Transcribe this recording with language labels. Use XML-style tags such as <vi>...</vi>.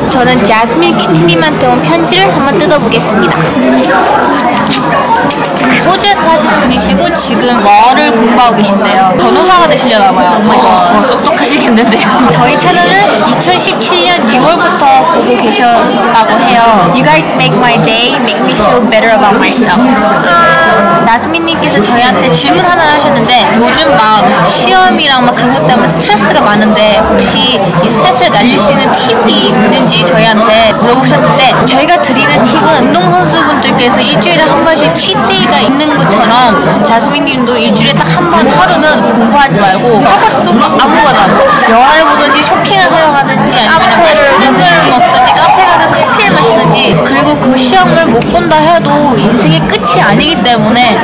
<ko>저는 자스민 큐티님한테 온 편지를 한번 뜯어보겠습니다. 호주에서 사시는 분이시고 지금 뭐를 공부하고 계신데요. 변호사가 되시려나봐요. 똑똑하시겠는데요. 저희 채널을 2017년 6월부터 보고 계셨다고 해요.</ko> <en>You guys make my day, make me feel better about myself.</en> <ko>나스민님께서 저희한테 질문 하나를 하셨는데 요즘 막 시험이랑 막 그런 것 때문에 스트레스가 많은데 혹시 이 스트레스를 날릴 수 있는 팁이 있는지 저희한테 물어보셨는데 저희가 드리는 팁은 운동선수분들 그래서 일주일에 한 번씩 치데이가 있는 것처럼 자스민님도 일주일에 딱 한 번 하루는 공부하지 말고 하고 싶은 거 아무거나 영화를 보든지 쇼핑을 하러 가든지 아니면 맛있는 걸 먹든지 카페 가서 커피를 마시든지 그리고 그 시험을 못 본다 해도 인생의 끝이 아니기 때문에</ko>